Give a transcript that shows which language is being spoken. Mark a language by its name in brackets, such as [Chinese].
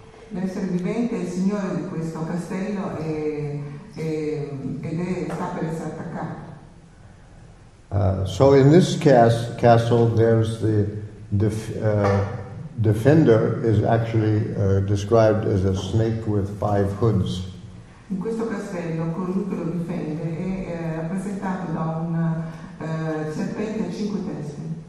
[Italian] L'essere vivente è il signore di questo castello ed è sta per essere attaccato. [English] So in this castle, there's the defender is actually described as a snake with five hoods. [Italian] In questo castello, colui che lo difende è rappresentato da un serpente a cinque teste.